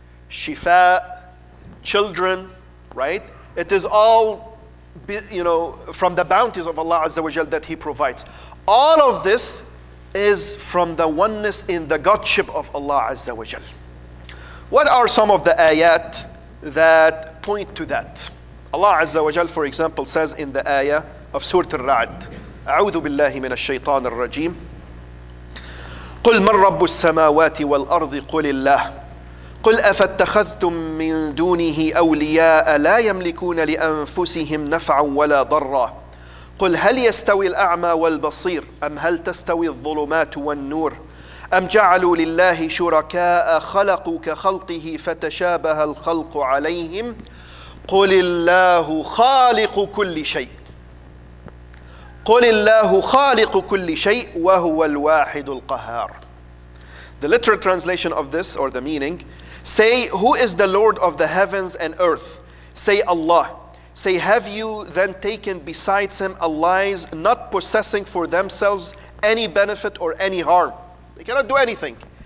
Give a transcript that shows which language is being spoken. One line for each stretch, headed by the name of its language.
English: Shifa, children, right? It is all, you know, from the bounties of Allah Azza wa Jal that he provides. All of this is from the oneness in the Godship of Allah Azza wa Jal. What are some of the ayat that point to that? Allah Azza wa Jal, for example, says in the ayah of Surah Al-Ra'd,
Arabic: أعوذ بالله من الشيطان الرجيم قل من رب السماوات والأرض قل الله قل أفاتخذتم من دونه أولياء لا يملكون لأنفسهم نفعا ولا ضرا قل هل يستوي الأعمى والبصير أم هل تستوي الظلمات والنور أم جعلوا لله شركاء خلقوا كخلقه فتشابه الخلق عليهم قل الله خالق كل شيء قل الله خالق كل شيء وهو الواحد القهار.
English: The literal translation of this, or the meaning, say, who is the Lord of the heavens and earth? Say, Allah. Say, have you then taken besides him allies, not possessing for themselves any benefit or any harm? They cannot do anything.